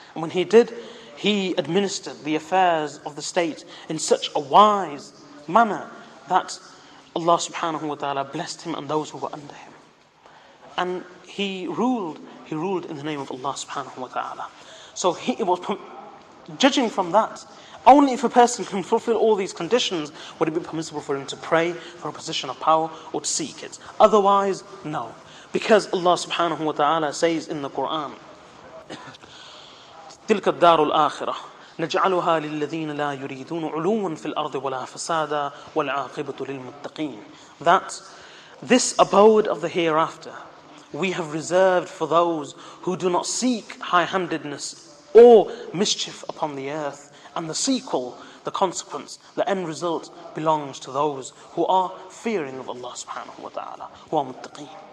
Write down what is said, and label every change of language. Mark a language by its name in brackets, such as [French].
[English] And when he did, he administered the affairs of the state in such a wise manner that Allah subhanahu wa ta'ala blessed him and those who were under him. And he ruled, He ruled in the name of Allah subhanahu wa ta'ala. So it was judging from that, only if a person can fulfill all these conditions would it be permissible for him to pray for a position of power or to seek it. Otherwise, no. Because Allah subhanahu wa ta'ala says in the Quran, [Arabic] تِلْكَ الدَّارُ الْآخِرَةِ نَجْعَلُهَا لِلَّذِينَ لَا يُرِيدُونَ عُلُوًّا فِي الْأَرْضِ وَلَا فَسَادًا وَالْعَاقِبَةُ لِلْمُتَّقِينَ. [English] That this abode of the hereafter, we have reserved for those who do not seek high-handedness or mischief upon the earth. And the sequel, the consequence, the end result belongs to those who are fearing of Allah subhanahu wa ta'ala, who are muttaqeen.